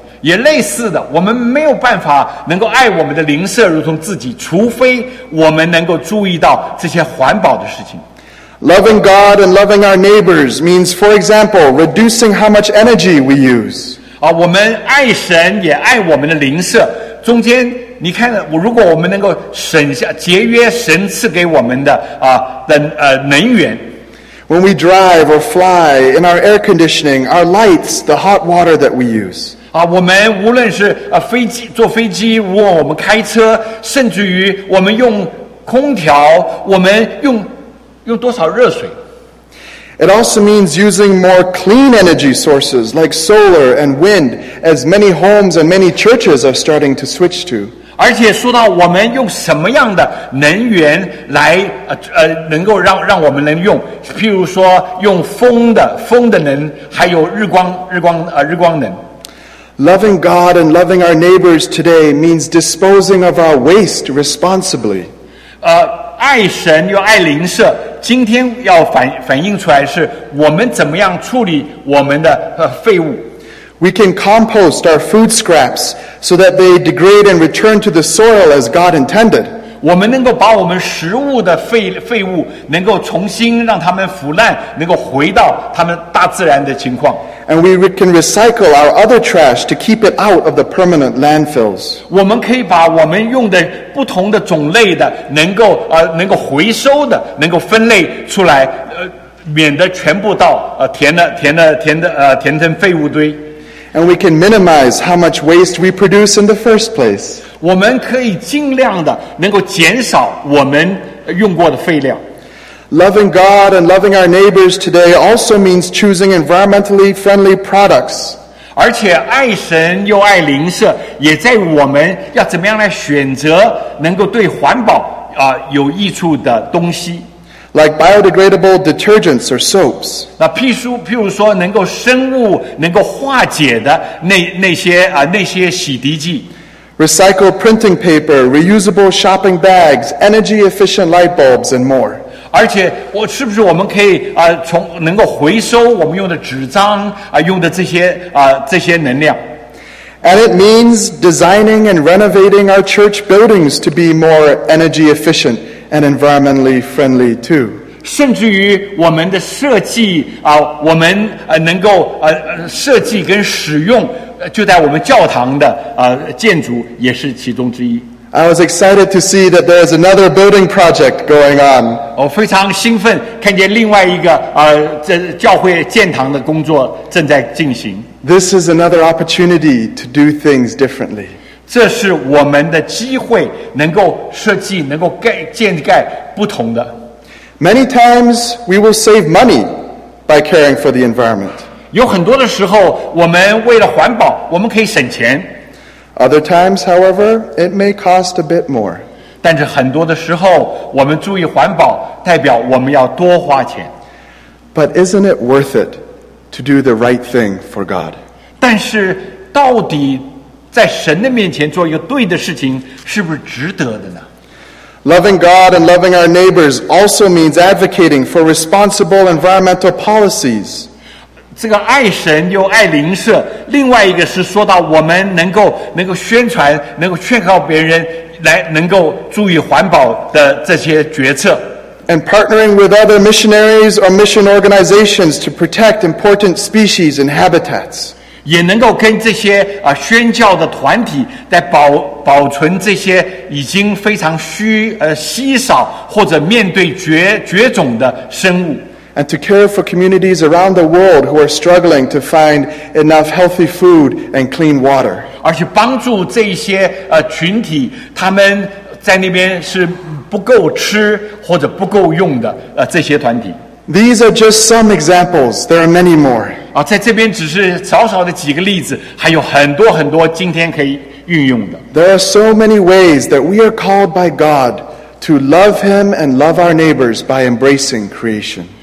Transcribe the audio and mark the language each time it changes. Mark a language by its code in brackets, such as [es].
[zh] 也类似的，我们没有办法能够爱我们的邻舍如同自己，除非我们能够注意到这些环保的事情。 [en] Loving God and loving our neighbors means, for example, reducing how much energy we use. [zh] 我们爱神也爱我们的邻舍，中间你看，如果我们能够省下节约神赐给我们的能源。 [en] When we drive or fly in our air conditioning, our lights, the hot water that we use. [zh] 我们无论是坐飞机，如果我们开车，甚至于我们用空调，我们用多少热水。 [en] It also means using more clean energy sources like solar and wind, as many homes and many churches are starting to switch to. [zh] 而且说到我们用什么样的能源来能够让我们能用，譬如说用风的能，还有日光能。 [en] Loving God and loving our neighbors today means disposing of our waste responsibly. [zh] 爱神又爱邻舍，今天要反映出来是我们怎么样处理我们的废物。 [en] We can compost our food scraps so that they degrade and return to the soil as God intended. [zh] 我们能够把我们食物的废物能够重新让它们腐烂，能够回到它们大自然的情况。 [en] And we can recycle our other trash to keep it out of the permanent landfills. [zh] 我们可以把我们用的不同的种类的能够回收的能够分类出来，免得全部到填成废物堆。 [en] And we can minimize how much waste we produce in the first place. [zh] 我们可以尽量的能够减少我们用过的废料。 [en] Loving God and loving our neighbors today also means choosing environmentally friendly products. [zh] 而且爱神又爱邻舍，也在我们要怎么样来选择能够对环保有益处的东西。 [en] Like biodegradable detergents or soaps. [zh] 那譬如说能够生物能够化解的那些洗涤剂。 [en] Recycled printing paper, reusable shopping bags, energy efficient light bulbs and more. [zh] 而且我是不是我们可以从能够回收我们用的纸张用的这些能量。 [en] And it means designing and renovating our church buildings to be more energy efficient. And environmentally friendly too. [zh] 甚至于我们的设计我们能够设计跟使用就在我们教堂的建筑也是其中之一。 [en] I was excited to see that there is another building project going on. [zh] 我非常兴奋看见另外一个教会建堂的工作正在进行。 [en] This is another opportunity to do things differently. [zh] 这是我们的机会，能够设计，能够建盖不同的。 [en] Many times we will save money by caring for the environment. [zh] 有很多的时候，我们为了环保，我们可以省钱。 [en] Other times, however, it may cost a bit more. [zh] 但是很多的时候，我们注意环保，代表我们要多花钱。 [en] But isn't it worth it to do the right thing for God? [zh] 但是到底在神的面前做一个对的事情，是不是值得的呢？ [en] Loving God and loving our neighbors also means advocating for responsible environmental policies. [zh] 这个爱神又爱邻舍，另外一个是说到我们能够宣传，能够劝告别人来能够注意环保的这些决策。 [en] And partnering with other missionaries or mission organizations to protect important species and habitats. [zh] 也能够跟这些宣教的团体在保存这些已经非常稀少或者面对绝种的生物。 [en] And to care for communities around the world who are struggling to find enough healthy food and clean water. [zh] 而且帮助这些群体，他们在那边是不够吃或者不够用的这些团体。 [en] These are just some examples. There are many more. [zh] 在这边只是少少的几个例子，还有很多很多今天可以运用的。 [en] There are so many ways that we are called by God to love Him and love our neighbors by embracing creation.